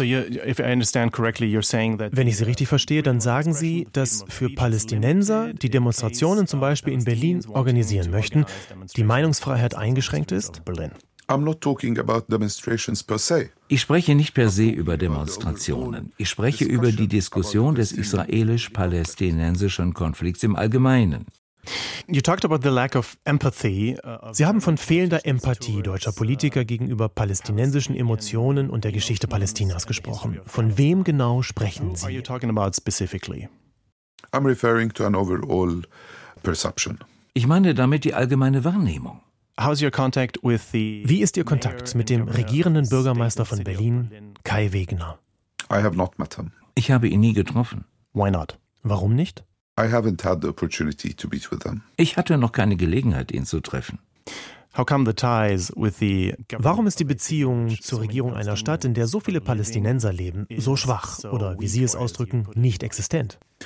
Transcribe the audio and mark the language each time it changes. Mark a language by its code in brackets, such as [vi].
[de] Wenn ich Sie richtig verstehe, dann sagen Sie, dass für Palästinenser, die Demonstrationen zum Beispiel in Berlin organisieren möchten, die Meinungsfreiheit eingeschränkt ist? [en] I'm not talking about demonstrations per se. [de] Ich spreche nicht per se über Demonstrationen. Ich spreche über die Diskussion des israelisch-palästinensischen Konflikts im Allgemeinen. [en] You talked about the lack of empathy. [de] Sie haben von fehlender Empathie deutscher Politiker gegenüber palästinensischen Emotionen und der Geschichte Palästinas gesprochen. Von wem genau sprechen Sie? [en] Are you talking about specifically? I'm referring to an overall perception. [de] Ich meine damit die allgemeine Wahrnehmung. [en] How's your contact with the [de] Wie ist Ihr Kontakt mit dem regierenden Bürgermeister von Berlin, Kai Wegner? [en] I have not met him. [de] Ich habe ihn nie getroffen. [en] Why not? [de] Warum nicht? [en] I haven't had the opportunity to meet with them. [de] Ich hatte noch keine Gelegenheit, ihn zu treffen. [en] How come the ties with the [de] Warum ist die Beziehung zur Regierung einer Stadt, in der so viele Palästinenser leben, so schwach oder, wie Sie es ausdrücken, nicht existent?